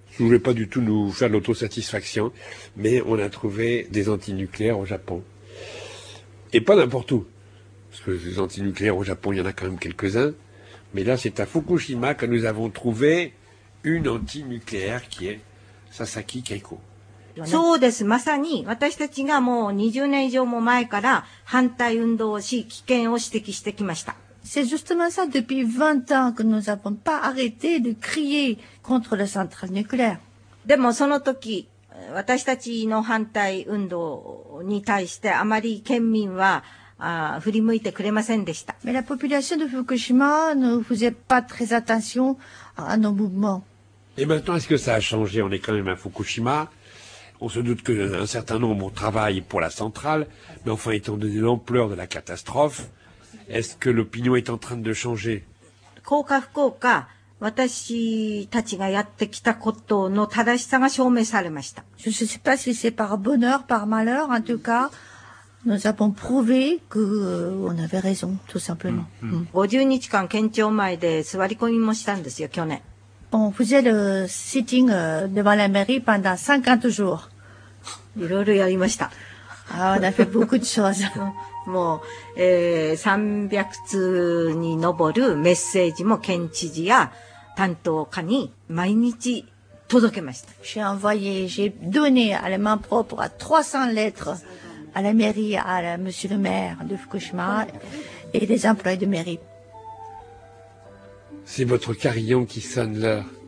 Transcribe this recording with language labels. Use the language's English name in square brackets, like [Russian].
[French] Je ne voulais pas du tout nous faire l'autosatisfaction, mais on a trouvé des antinucléaires au Japon. Et pas n'importe où. Parce que les antinucléaires au Japon, il y en a quand même quelques-uns. Mais là, c'est à Fukushima que nous avons trouvé une antinucléaire qui est Sasaki Keiko. [Japanese] そうです。まさに私たちがもう20年以上も前から反対運動をし、危険を指摘してきました。 [French] C'est justement ça, depuis 20 ans que nous n'avons pas arrêté de crier contre la centrale nucléaire. [Japanese] でもその時、私たちの反対運動に対してあまり県民は振り向いてくれませんでした。 [French] Mais la population de Fukushima ne faisait pas très attention à nos mouvements. Et maintenant, est-ce que ça a changé? On est quand même à Fukushima. On se doute qu'un certain nombre travaille pour la centrale, mais enfin, étant donné l'ampleur de la catastrophe, est-ce que l'opinion est en train de changer? [Japanese] 効果不効果、私たちがやってきたことの正しさが証明されました。 [French] Je ne sais pas si c'est par bonheur, par malheur, en tout cas. Nous avons prouvé que, on avait raison, tout simplement. [Japanese] Mm-hmm. 50日間県庁前で座り込みもしたんですよ、去年。 [French] On faisait le sitting devant la mairie pendant 50 jours. [Japanese] いろいろやりました。 [French] On a fait beaucoup de choses. [Japanese] もう、300通に上るメッセージも県知事や担当課に毎日届けました。 [French] J'ai envoyé, j'ai donné à la main propre à 300 lettres. À la mairie, à la, monsieur le maire de Fukushima et des employés de mairie. C'est votre carillon qui sonne l'heure.